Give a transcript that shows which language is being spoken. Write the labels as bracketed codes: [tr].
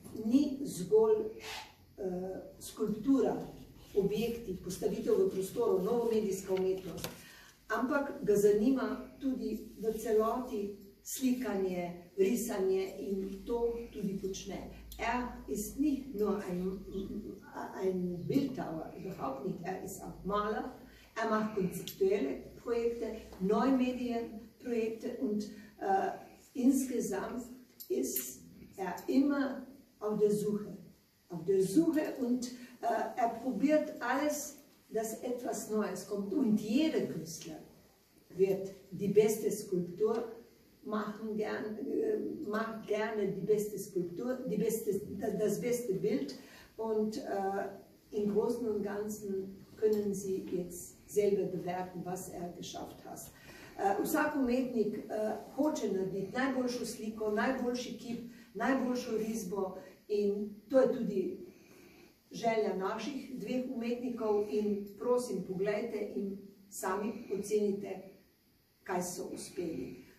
[sl] Ni zgolj skulptura, objekti, postavitev v prostoru, novomedijska umetnost, ampak ga zanima tudi v celoti slikanje, risanje in to tudi počne. [de] Er ist nicht nur ein Bildhauer, überhaupt nicht. Er ist auch Maler. Er macht konzeptuelle Projekte, Neumedienprojekte und insgesamt ist er immer auf der Suche. Auf der Suche und er probiert alles, dass etwas Neues kommt. Und jeder Künstler wird die beste Skulptur machen, macht gerne die beste Skulptur, das beste Bild. Und im Großen und Ganzen können Sie jetzt selber bewerten, was er geschafft hat. [sl] Vsak umetnik hoče narediti najboljšo sliko, najboljši kip, najboljšo risbo in to je tudi želja naših 2 umetnikov in prosim, pogledajte in sami ocenite, kaj so uspeli.